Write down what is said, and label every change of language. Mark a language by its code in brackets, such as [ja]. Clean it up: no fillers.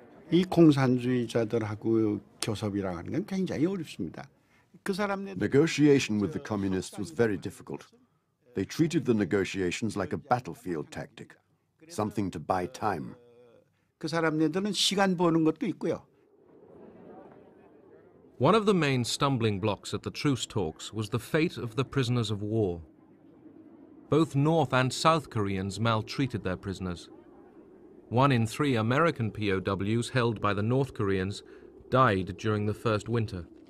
[ko] 이 공산주의자들하고 교섭이라는 건 굉장히 어렵습니다. 그 사람들 [en] Negotiation with the communists was very difficult. They treated the negotiations like a battlefield tactic, something to buy time. [ko] 그 사람들은 시간 버는 것도 있고요. [en] One of the main stumbling blocks at the truce talks was the fate of the prisoners of war. Both North and South Koreans maltreated their prisoners. One in three American POWs held by the North Koreans died during the first winter.